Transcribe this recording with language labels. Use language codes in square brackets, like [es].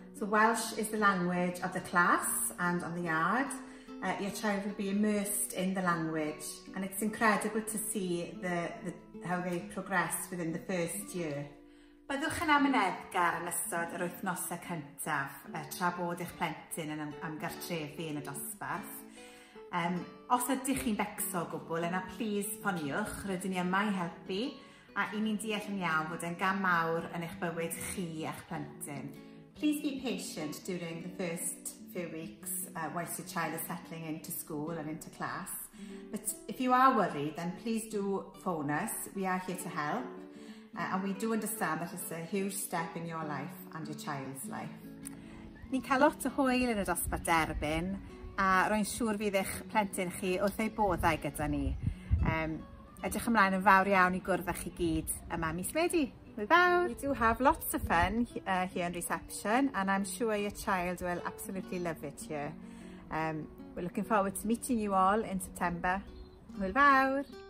[en] So Welsh is the language of the class and on the yard. Your child will be immersed in the language, and it's incredible to see how they progress within the first year. [cy] Byddwch yn amyneddgar yn ystod yr wythnosau cyntaf tra bod eich plentyn yn ymgartrefu yn y dosbarth. Os ydych chi'n becso o gwbl, yna please poniwch, rydyn ni yma i helpu, a un i'n deall yn iawn fod yn gam mawr yn eich bywyd chi a'ch plentyn. [en] Please be patient during the first few weeks whilst your child is settling into school and into class. But if you are worried, then please do phone us. We are here to help. And we do understand that it's a huge step in your life and your child's life. [cy] Ni'n cael lot o hwyl yn y dosbarth Derbyn, a rwy'n siŵr fydd eich plentyn chi wrth eu boddau gyda ni. Ydych ymlaen yn fawr iawn i gwrdd â chi gyd yma mis Medi. [en] We do have lots of fun here in reception, and I'm sure your child will absolutely love it here. We're looking forward to meeting you all in September. [cy] Hwyl fawr!